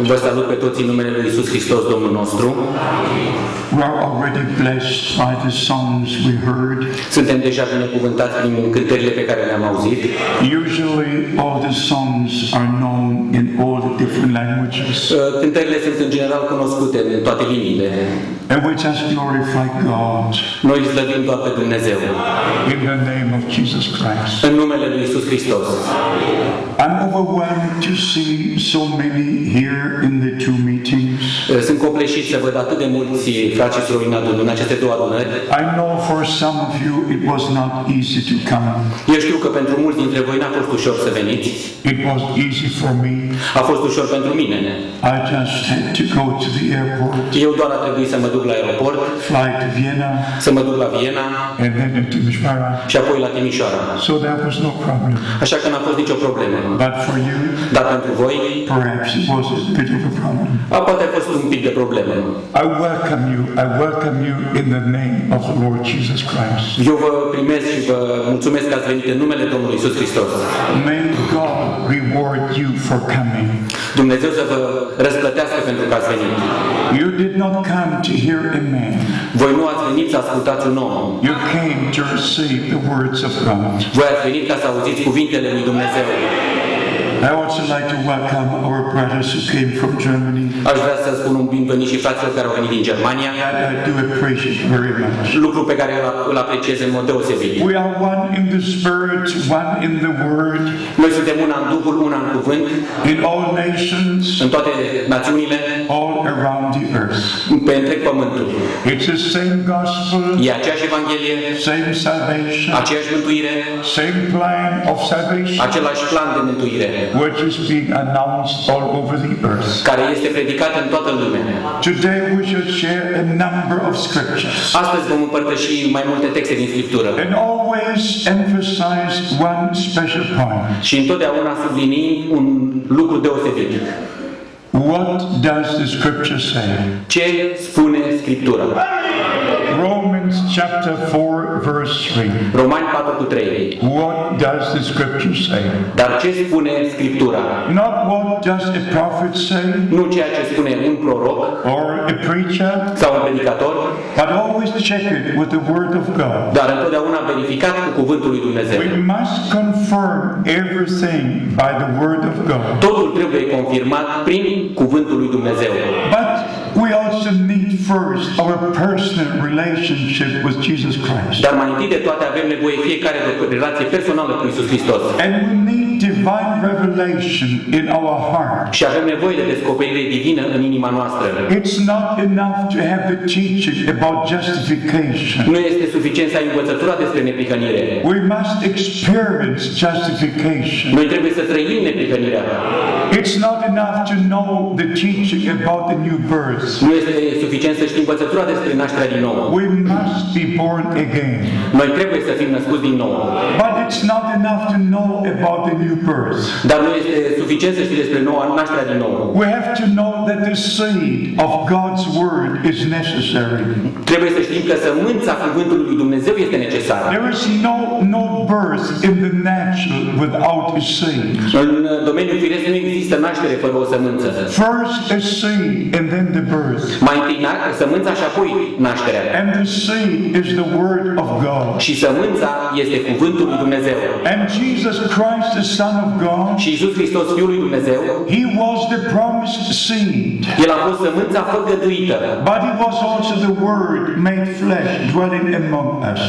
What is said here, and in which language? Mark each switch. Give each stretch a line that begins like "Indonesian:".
Romanian: salut pe toți în numele lui Iisus Hristos, Domnul nostru.
English: We are already blessed by the songs we heard.
Romanian: Suntem deja binecuvântați prin cântările pe care le-am auzit.
English: Usually all the songs are known in all the different languages.
Romanian: Cântările sunt în general cunoscute în toate limbile.
English: And we just glorify God.
Romanian: Noi slăvim doar pe Dumnezeu.
English: In the name of Jesus Christ.
Romanian: În numele lui Iisus Hristos.
English: I'm overwhelmed to see so many here in the two meetings.
Romanian: Sunt copleșit să văd atât de mulți frați și surori în aceste două adunări.
English: I know for some of you it was not easy to come.
Romanian: Eu știu că pentru mulți dintre voi n-a fost ușor să veniți.
English: It was easy for me.
Romanian: A fost ușor pentru mine.
English: I just had to go to the airport.
Romanian: Eu doar a trebuit să mă duc la aeroport.
English: Fly to Vienna.
Romanian: Să mă duc la Viena.
English: And then to Timișoara.
Romanian: Și apoi la Timișoara.
English: So there was no problem.
Romanian: Așa că n-a fost nicio problemă.
English: But for you,
Romanian: dar pentru voi,
English: perhaps it was a bit of a problem.
Romanian: Poate a fost un pic de problemă.
English: I welcome you in the name of the Lord Jesus Christ.
Romanian: Eu vă primesc și vă mulțumesc că ați venit în numele Domnului Iisus Hristos.
English: May God reward you for coming.
Romanian: Dumnezeu să vă răsplătească pentru că ați venit.
English: You did not come to hear a man.
Romanian: Voi nu ați venit să ascultați un om.
English: You came to receive the words of God.
Romanian: Voi ați venit ca să auziți cuvintele lui Dumnezeu.
English: I also like to welcome our brothers who came from Germany.
Romanian: Aș vrea să spun un binevenit și fraților care au venit din Germania.
English: I do appreciate very much.
Romanian: Lucru pe care îl apreciez în mod deosebit.
English: We are one in the spirit, one in the word.
Romanian: Noi suntem una în Duhul, una în cuvânt.
English: In all nations.
Romanian: În toate națiunile.
English: All around the earth.
Romanian: Pe întreg pământul.
English: It's the same gospel.
Romanian: E aceeași evanghelie.
English: Same salvation.
Romanian: Aceeași mântuire.
English: Same plan of salvation.
Romanian: Același plan de mântuire.
English: Which is being announced all over the earth.
Romanian: Care este predicat în toată lumea.
English: Today we shall share a number of scriptures.
Romanian: Astăzi vom împărtăși mai multe texte din Scriptură.
English: And always emphasize one special point.
Romanian: Și întotdeauna subliniem un lucru deosebit.
English: What does the scripture say?
Romanian: Ce spune Scriptura?
English: Romans chapter 4 verse 3.
Romanian: Romani 4:3.
English: What does the scripture say?
Romanian: Dar ce spune Scriptura?
English: Not what does a prophet say?
Romanian: Nu ceea ce spune un proroc.
English: Or a preacher?
Romanian: Sau un predicator?
English: But always check it with the word of God.
Romanian: Dar întotdeauna verificat cu cuvântul lui Dumnezeu.
English: We must confirm everything by the word of God.
Romanian: Totul trebuie confirmat prin cuvântul lui Dumnezeu.
English: But we also need first our personal relationship with Jesus Christ.
Romanian: Dar mai întâi de toate avem nevoie fiecare de o relație personală cu Iisus Hristos.
English: And we need divine revelation in our heart.
Romanian: Și avem nevoie de descoperire divină în inima noastră.
English: It's not enough to have the teaching about justification.
Romanian: Nu este suficient să ai învățătura despre neprihănire.
English: We must experience justification.
Romanian: Noi trebuie să trăim neprihănirea.
English: It's not enough to know the teaching about the new birth.
Romanian: Nu este suficient să știm învățătura despre nașterea din nou.
English: We must be born again.
Romanian: Noi trebuie să fim născuți din nou.
English: But it's not enough to know about the new birth.
Romanian: Dar nu este suficient să știm despre noua nașterea din nou.
English: We have to know that the seed of God's word is necessary.
Romanian: Trebuie să știm că sămânța cuvântului lui Dumnezeu este necesară.
English: There is no birth in the natural without a seed.
Romanian: În domeniul firesc nu există naștere fără o sămânță.
English: First a seed and then the birth.
Romanian: Mai întâi sămânța și apoi nașterea.
English: And the seed is the word of God.
Romanian: Și sămânța este cuvântul lui Dumnezeu.
English: And Jesus Christ, the Son of God.
Romanian: Și Iisus Hristos, Fiul lui Dumnezeu.
English: He was the promised seed.
Romanian: El a fost sămânța făgăduită.
English: But he was also the word made flesh dwelling among us.